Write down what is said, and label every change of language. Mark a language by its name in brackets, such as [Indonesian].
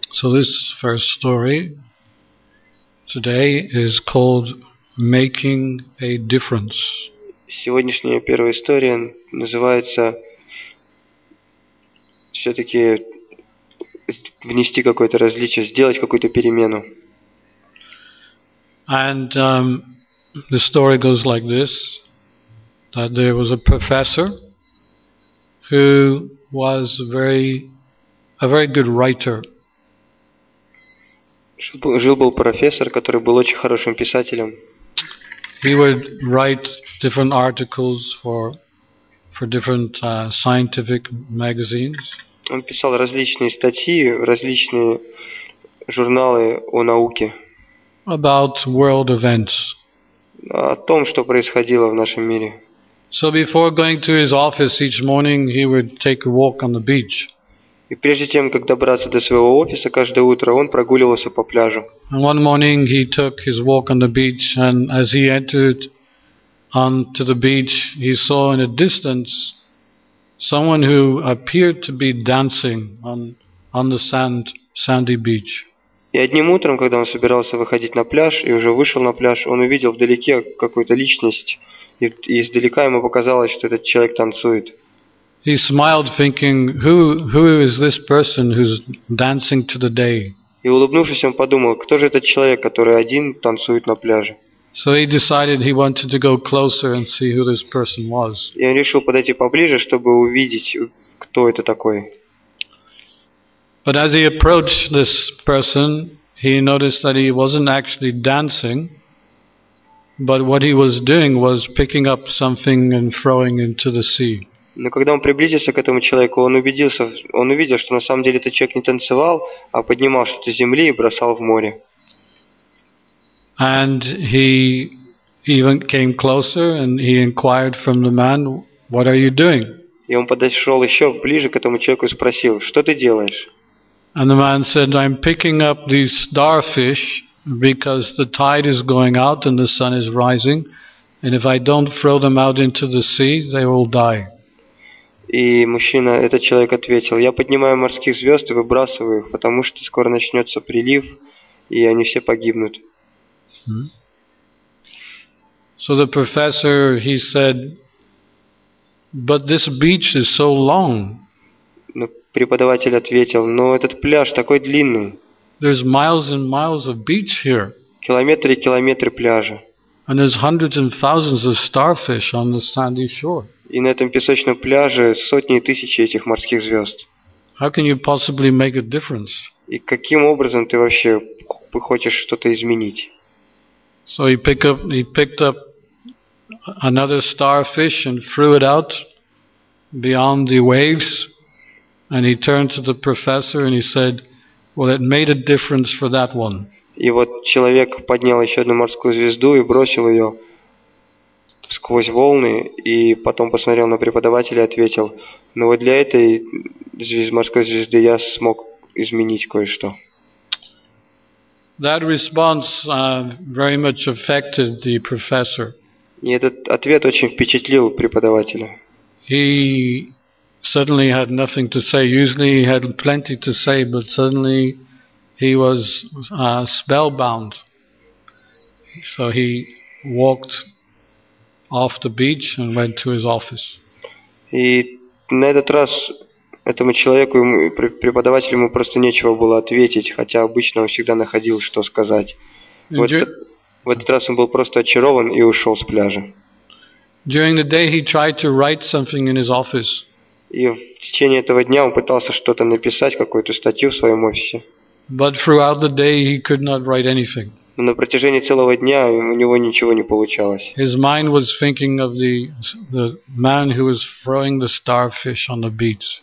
[English] So this first story today is called Making a Difference. [Russian] Сегодняшняя первая история называется все-таки внести какое-то различие, сделать какую-то перемену. [English] And the story goes like this, that there was a professor who was a very good writer. [Russian] Жил был профессор, который был очень хорошим писателем. [English] He would write different articles for different scientific magazines. [Russian] Он писал различные статьи, различные журналы о науке. [English] About world events. [Russian] О том, что происходило в нашем мире. [English] So before going to his office each morning, he would take a walk on the beach. [Russian] И прежде тем, как добраться до своего офиса каждое утро, он прогуливался по пляжу. [English] And one morning he took his walk on the beach, and as he entered onto the beach, he saw in a distance someone who appeared to be dancing on the sandy beach. [Russian] И одним утром, когда он собирался выходить на пляж и уже вышел на пляж, он увидел вдалеке какую-то личность. И издалека ему показалось, что этот человек танцует. [English] He smiled, thinking, who is this person who's dancing to the day? [Russian] И улыбнувшись, он подумал, кто же этот человек, который один танцует на пляже? [English] So he decided he wanted to go closer and see who this person was. [Russian] И он решил подойти поближе, чтобы увидеть, кто это такой. [English] But as he approached this person, he noticed that he wasn't actually dancing. But what he was doing was picking up something and throwing into the sea. [Russian] Но когда он приблизился к этому человеку, он увидел, что на самом деле этот человек не танцевал, а поднимал что-то с земли и бросал в море. [English] And he even came closer and he inquired from the man, "What are you doing?" [Russian] И он подошёл ещё ближе к этому человеку и спросил: "Что ты делаешь?" [English] And the man said, "I'm picking up these starfish because the tide is going out and the sun is rising, and if I don't throw them out into the sea, they will die." [Russian] И мужчина, этот человек ответил: "Я поднимаю морских звёзд и выбрасываю их, потому что скоро начнётся прилив, и они все погибнут." [English] So the professor, he said, "But this beach is so long." [Russian] Но преподаватель ответил: "Но этот пляж такой длинный." [English] There's miles and miles of beach here. [Russian] Километры и километры пляжа. [English] And there's hundreds and thousands of starfish on the sandy shore. [Russian] И на этом песочном пляже сотни и тысячи этих морских звёзд. [English] How can you possibly make a difference? [Russian] И каким образом ты вообще хочешь что-то изменить? [English] So he picked up another starfish and threw it out beyond the waves, and he turned to the professor and he said, "Well, it made a difference for that one." [Russian] И вот человек поднял ещё одну морскую звезду и бросил её сквозь волны, и потом посмотрел на преподавателя и ответил: "Ну вот для этой морской звезды я смог изменить кое-что." [English] That response very much affected the professor. [Russian] И этот ответ очень впечатлил преподавателя. [English] He suddenly had nothing to say. Usually he had plenty to say, but suddenly he was spellbound. So he walked off the beach and went to his office. [Russian] И на этот раз этому человеку, преподавателю, ему просто нечего было ответить, хотя обычно он всегда находил, что сказать. В этот раз он был просто очарован и ушел с пляжа. [English] During the day he tried to write something in his office. [Russian] И в течение этого дня он пытался что-то написать, какую-то статью в своем офисе. [English] But throughout the day he could not write anything. [Russian] Но на протяжении целого дня у него ничего не получалось. [English] His mind was thinking of the man who was throwing the starfish on the beach.